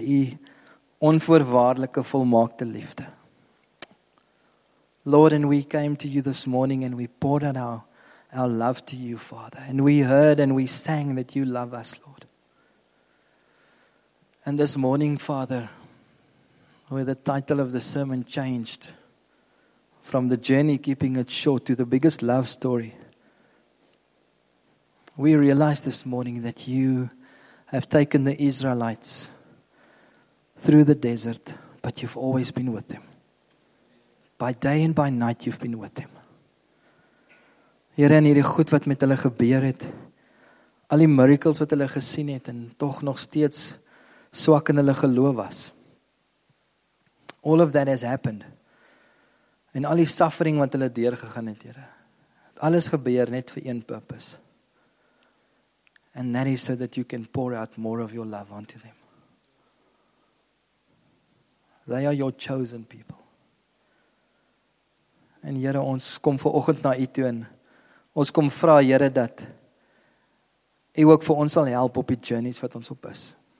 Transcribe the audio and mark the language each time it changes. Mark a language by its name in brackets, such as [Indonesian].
[Afrikaans] U onvoorwaardelike volmaakte liefde. [English] Lord, and we came to you this morning and we poured out our love to you, Father. And we heard and we sang that you love us, Lord. And this morning, Father, where the title of the sermon changed from the journey, keeping it short, to the biggest love story, we realize this morning that you have taken the Israelites through the desert, but you've always been with them. By day and by night, you've been with them. [Afrikaans] Here en hierdie goed wat met hulle gebeur het, al die miracles wat hulle gesien het, en toch nog steeds swak in hulle geloof was. [English] All of that has happened. [Afrikaans] En al die suffering wat hulle deurgegaan het, Here. Alles gebeur net vir een purpose. [English] And that is so that you can pour out more of your love onto them. They are your chosen people. [Afrikaans] En Here, ons kom vanoggend na u toe en ons kom vra, Here, dat u ook vir ons sal help op die journeys wat ons op is.